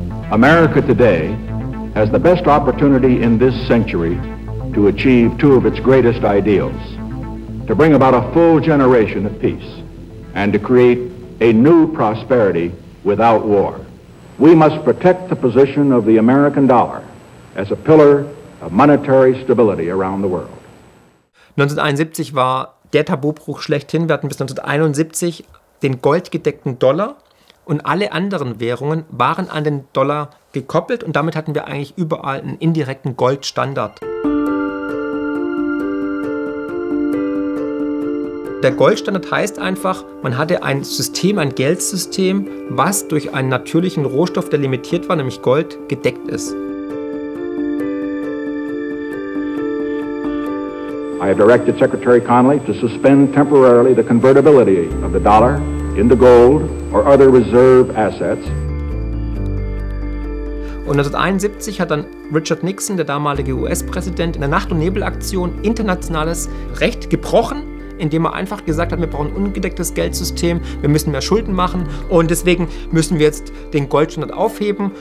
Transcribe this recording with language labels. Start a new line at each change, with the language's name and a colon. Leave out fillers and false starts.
English: America today has the best opportunity in this century to achieve two of its greatest ideals, to bring about a full generation of peace and to create a new prosperity without war. We must protect the position of the American dollar as a pillar of monetary stability around the world.
German: 1971 war der Tabubruch schlechthin. Wir hatten bis 1971 den goldgedeckten Dollar und alle anderen Währungen waren an den Dollar gekoppelt und damit hatten wir eigentlich überall einen indirekten Goldstandard. Der Goldstandard heißt einfach, man hatte ein System, ein Geldsystem, was durch einen natürlichen Rohstoff, der limitiert war, nämlich Gold, gedeckt ist.
English: I have directed Secretary Connally to suspend temporarily the convertibility of the dollar into gold or other reserve assets.
German: Und 1971 hat dann Richard Nixon, der damalige US-Präsident, in der Nacht- und Nebelaktion internationales Recht gebrochen, indem er einfach gesagt hat, wir brauchen ein ungedecktes Geldsystem, wir müssen mehr Schulden machen und deswegen müssen wir jetzt den Goldstandard aufheben.